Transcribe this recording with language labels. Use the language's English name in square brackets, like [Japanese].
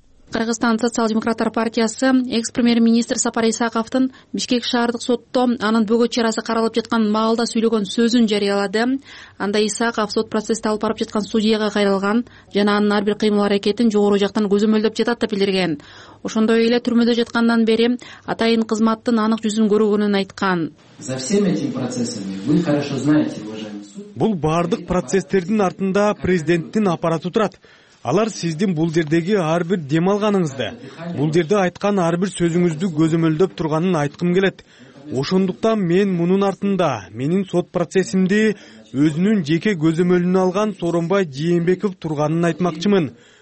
[Kyrgyz] Кыргызстан социал-демократтар партиясы экс-премьер-министр Сапар Исаковдун Бишкек шаардык сотто анын бөгөт чарасы каралып жаткан маалда сүйлөгөн сөзүн жарыялады. Анда Исаков сот процессте алып барып жаткан судьяга кайрылган жана анын ар бир кыймыл аракетин жогору жактан көзөмөлдөп жатат деп билдирген. Ошондой эле түрмөдө жаткандан бери атайын кызматтын анык жүзүн көргөнүн айткан. [Russian] За всем этим процессами вы хорошо знаете, уважаемый. [Kyrgyz] Бул баардык процесстердин артында президенттин аппараты турат. Алар сиздин бул жердеги ар бир дем алганыңызды, бул жерде айткан ар бир сөзүңүздү көзөмөлдөп турганын айткым келет. Ошондуктан мен мунун артында менин сот процессимди өзүнүн жеке көзөмөлүнө алган Сооронбай Жээнбеков турганын айтмакчымын.